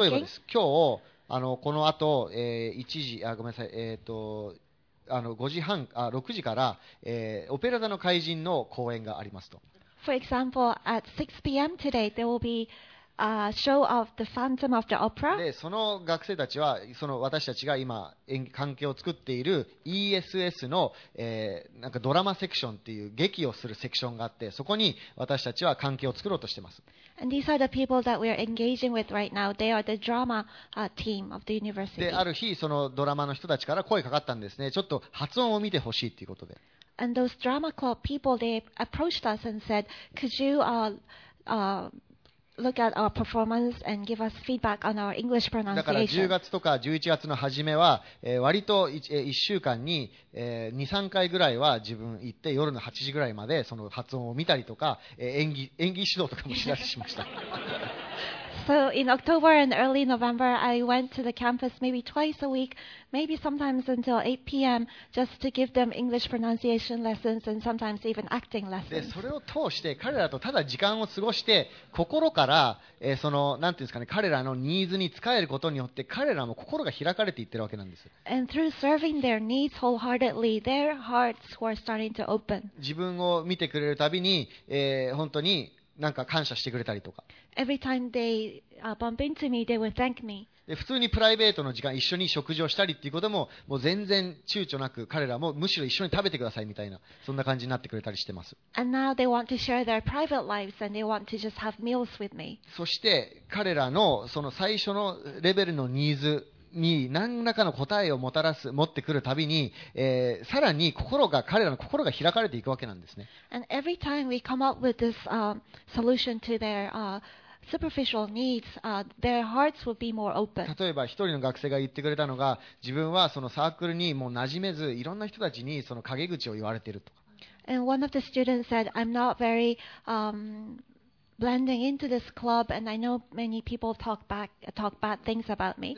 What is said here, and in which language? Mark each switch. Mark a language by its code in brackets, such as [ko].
[ja] 例えばです、今日あのこの後、1時あごめんなさい、あの5時半あ6時から、オペラ座の怪人の公演がありますと。 [en] For example, at 6 p.m. today there will beA show of the Phantom of the Opera. [ja] で、その学生たちはその私たちが今演技関係を作っている ESS の、なんかドラマセクションっていう劇をするセクションがあって、そこに私たちは関係を作ろうとしています。 [en] And these are the people that we are engaging with right now. They are the drama team of the university. [ja] で、ある日そのドラマの人たちから声かかったんですね。ちょっと発音を見てほしいっていうことで。 [en] And those drama club people, they approached us and said, could youLook at our performance and give us feedback on our English pronunciation. [ja] だから10月とか11月の初めは、割と 1週間に、2、3回ぐらいは自分行って夜の8時ぐらいまでその発音を見たりとか、演技指導とかもしだしました。 [en] So in October and early November, I went to the campus maybe twice a week, maybe sometimes until 8 p.m. just to give them English pronunciation lessons and sometimes even acting lessons. [ja] で、それを通して彼らとただ時間を過ごして心から、そのなんていうんですかね、彼らのニーズに使えることによって彼らも心が開かれていってるわけなんです。 [en] And through serving their needs wholeheartedly, their hearts were starting to open. [ja] 自分を見てくれるたびに、本当に。なんか感謝してくれたりとか。 [en] Every time they bump into me, they would thank me. [ja] で、普通にプライベートの時間一緒に食事をしたりっていうことも、もう全然躊躇なく彼らもむしろ一緒に食べてくださいみたいな、そんな感じになってくれたりしてます。 [en] And now they want to share their private lives and they want to just have meals with me. [ja] そして彼らのその最初のレベルのニーズに何らかの答えをもたらす持ってくるたびに、さらに心が彼らの心が開かれていくわけなんですね。 [en] And every time we come up with this solution to their superficial needs, their hearts will be more open. [ja] 例えば一人の学生が言ってくれたのが、自分はそのサークルにもう馴染めず、いろんな人たちにその陰口を言われているとか。 [en] And one of the students said, "I'm not very blending into this club, and I know many people talk bad things about me."